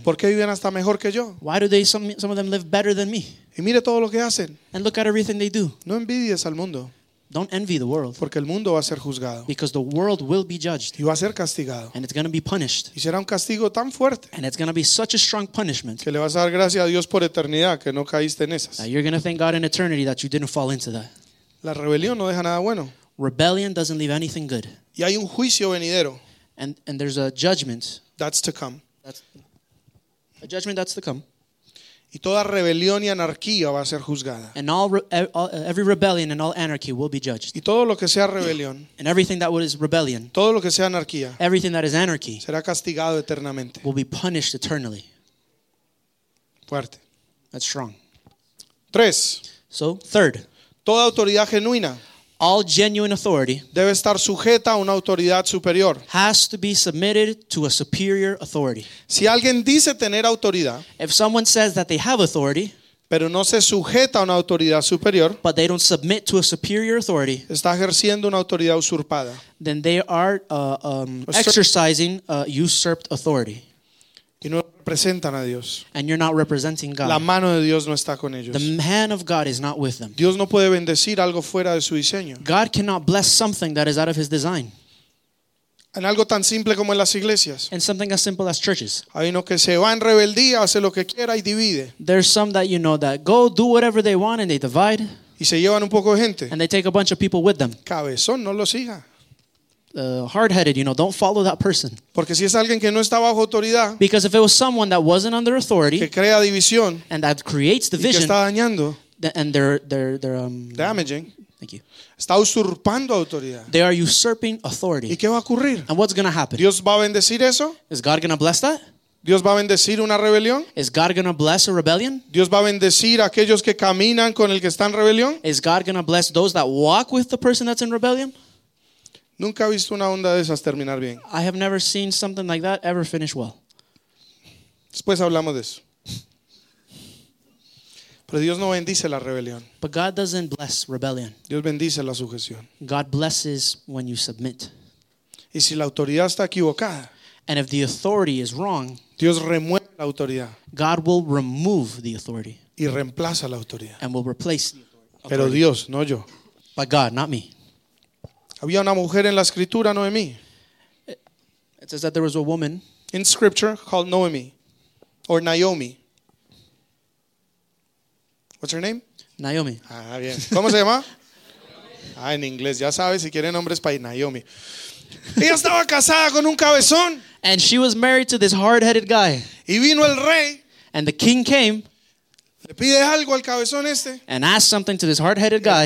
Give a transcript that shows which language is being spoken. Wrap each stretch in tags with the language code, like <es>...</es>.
<es>¿Por qué viven hasta mejor que yo?</es> <en>Why do they some of them live better than me?</en> <es>Y mire todo lo que hacen.</es> <en>And look at everything they do.</en> <es>No envidies al mundo.</es> <en>Don't envy the world.</en> <es>Porque el mundo va a ser juzgado.</es> <en>Because the world will be judged.</en> <es>Y va a ser castigado.</es> <en>And it's going to be punished.</en> <es>Y será un castigo tan fuerte.</es> <en>And it's going to be such a strong punishment.</en> <es>Que le vas a dar gracias a Dios por eternidad que no caíste en esas.</es> <en>That you're going to thank God in eternity that you didn't fall into that.</en> <es>La rebelión no deja nada bueno.</es> <en>Rebellion doesn't leave anything good.</en> <es>Y hay un juicio venidero.</es> <en>And there's a judgment. That's to come. That's a judgment that's to come.</en> <es>Y toda rebelión y anarquía va a ser juzgada.</es> <en>And every rebellion and all anarchy will be judged.</en> <es>Y todo lo que sea rebelión.</es> <en>And everything that is rebellion.</en> <es>Todo lo que sea anarquía.</es> <en>Everything that is anarchy.</en> <es>Será castigado eternamente.</es> <en>Will be punished eternally.</en> <es>Fuerte.</es> <en>That's strong.</en> <es>Tres.</es> <en>So, third.</en> <es>Toda autoridad genuina.</es> <en>All genuine authority</en> <es>debe estar sujeta a una autoridad superior.</es> <en>Has to be submitted to a superior authority.</en> <es>Si alguien dice tener autoridad,</es> <en>if someone says that they have authority,</en> <es>pero no se sujeta a una autoridad superior,</es> <en>but they don't submit to a superior authority,</en> <es>está ejerciendo una autoridad usurpada.</es> <en>Then they are exercising usurped authority.</en> <es>Y no representan a Dios.</es> <en>And you're not representing God.</en> <es>La mano de Dios no está con ellos.</es> <en>The hand of God is not with them.</en> <es>Dios no puede bendecir algo fuera de su diseño.</es> <en>God cannot bless something that is out of his design.</en> <es>En algo tan simple como en las iglesias.</es> <en>And something as simple as churches.</en> <es>Hay uno que se va en rebeldía, hace lo que quiera y divide.</es> <en>There's some that you know that go do whatever they want and they divide.</en> <es>Y se llevan un poco de gente.</es> <en>And they take a bunch of people with them.</en> <es>Cabezón, no lo siga.</es> <en>Hard-headed, you know, don't follow that person.</en> <es>Porque si es alguien que no está bajo autoridad,</es> <en>because if it was someone that wasn't under authority,</en> <es>que crea división,</es> <en>and that creates division,</en> <es>y que está dañando,</es> <en>and they're damaging. Thank you.</en> <es>Está usurpando autoridad.</es> <en>They are usurping authority.</en> <es>¿Y qué va a ocurrir?</es> <en>And what's going to happen?</en> <es>¿Dios va a bendecir eso?</es> <en>Is God going to bless that?</en> <es>¿Dios va a bendecir una rebelión?</es> <en>Is God going to bless a rebellion?</en> <es>¿Dios va a bendecir a aquellos que caminan con el que está en rebelión?</es> <en>Is God going to bless those that walk with the person that's in rebellion?</en> <es>Nunca he visto una onda de esas terminar bien.</es> <en>I have never seen something like that ever finish well.</en> <es>Después hablamos de eso. Pero Dios no bendice la rebelión.</es> <en>But God doesn't bless rebellion.</en> <es>Dios bendice la sujeción.</es> <en>God blesses when you submit.</en> <es>Y si la autoridad está equivocada.</es> <en>And if the authority is wrong.</en> <es>Dios remueve la autoridad.</es> <en>God will remove the authority.</en> <es>Y reemplaza la autoridad.</es> <en>And will replace the authority.</en> <es>Pero Dios, no yo.</es> <en>But God, not me.</en> <es>Había una mujer en la escritura, Noemí.</es> <en>It says that there was a woman in scripture called Noemi or Naomi. What's her name? Naomi.</en> <es>Ah, bien. ¿Cómo se llama? Ah, en inglés, ya sabes, si quieren nombres para Naomi. Ella estaba casada con un cabezón.</es> <en>And she was married to this hard-headed guy.</en> <es>Y vino el rey.</es> <en>And the king came.</en> <es>Le pide algo al cabezón este.</es> <en>And asked something to this hard-headed guy.</en>